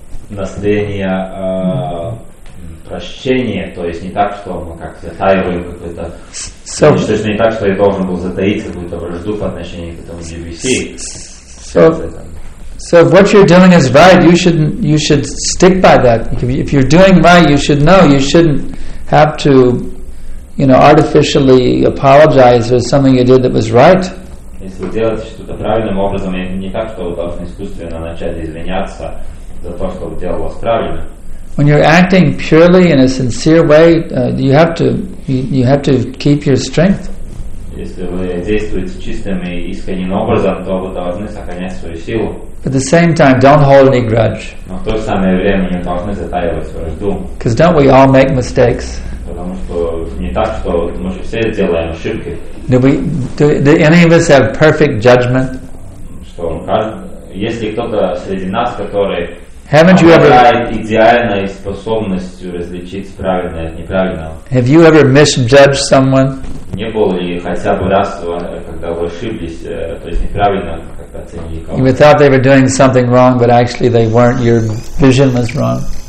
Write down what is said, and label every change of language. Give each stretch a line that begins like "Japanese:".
Russian: Настроение прощения, то есть не так, что мы как затаиваем какое-то, то есть не так, что я должен был затаить какую-то вражду по отношению к этому GBC.
English: So if what you're doing is right, you should stick by that. If you're doing right, you should know. You shouldn't have to, you know, artificially apologize for something you did that was right.
Russian: Если делать что-то правильным образом, не так, что вы должны искусственно начать извиняться за то, что вы делали правильно.
English: When you're acting purely in a sincere way, you have to keep your strength.
Russian: Если вы действуете чистым и искренним образом, то вы должны сохранять свою силу.
English: But at the same time, don't hold any grudge.
Russian: Но в то же самое время не должны затаивать вражду.
English: Because don't we all make mistakes?
Russian: Потому что не так, что мы же все делаем ошибки.
English: Do any of us have perfect judgment?
Russian: Что если кто-то среди нас, который
English: haven't you ever
Russian: идеальной способностью различить правильное от неправильного?
English: Have you ever misjudged someone?
Russian: Не было ли хотя бы раз, когда вы ошиблись, то есть неправильно?
English: You thought they were doing something wrong, but actually they weren't. Your vision was wrong.